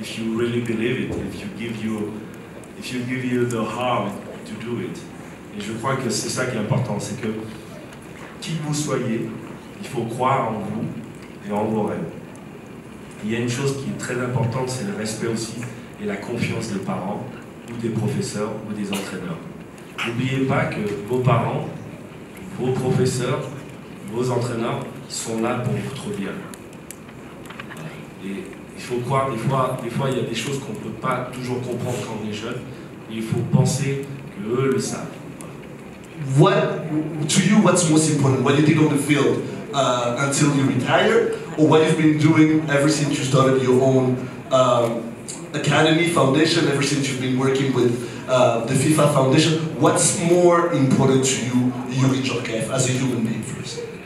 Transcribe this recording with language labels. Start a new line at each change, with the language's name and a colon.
English: If you really believe it, if you give you the heart to do it.
French: Et je crois que c'est ça qui est important, c'est que qui vous soyez, il faut croire en vous et en vos rêves. Il y a une chose qui est très importante, c'est le respect aussi et la confiance des parents ou des professeurs ou des entraîneurs. N'oubliez pas que vos parents, vos professeurs, vos entraîneurs sont là pour votre bien. Et il faut croire, des fois il y a des choses qu'on ne peut pas toujours comprendre quand on est jeune, mais il faut penser qu'eux le savent.
English: What to you? What's most important? What you did on the field until you retire, or what you've been doing ever since you started your own academy foundation? Ever since you've been working with the FIFA Foundation, what's more important to you, Youri Djorkaeff, as a human being first?